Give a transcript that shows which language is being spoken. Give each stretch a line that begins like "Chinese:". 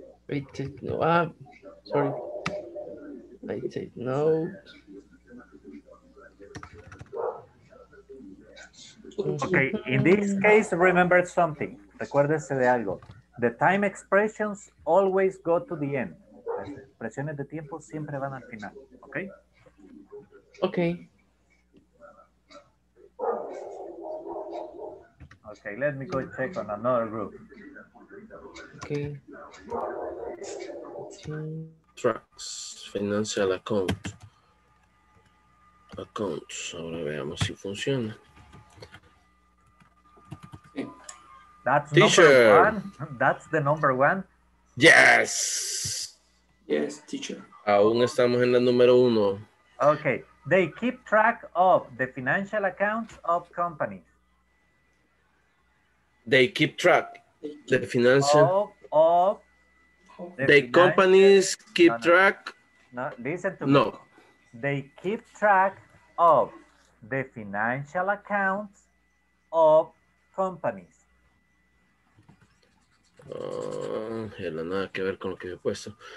English: I take no. Sorry. I take note. Okay. In this case, remember something.
Spanish: Recuérdese de algo.
English: The time expressions always go to the end.
Spanish: Las expresiones de tiempo siempre van al final.
English: Okay. Okay. Okay. Let me go check on another group. Okay. Tracks financial accounts.
Spanish: Ahora veamos si funciona.
English: That's teacher. Number one. That's the number one. Yes. Yes, teacher.
Spanish: Aún estamos en la número uno.
English: Okay. They keep track of the financial accounts of companies. They keep track the financial of the companies keep track. No, listen to no. me. They keep track of the financial accounts of companies.
Spanish: Nada que ver con lo que he puesto.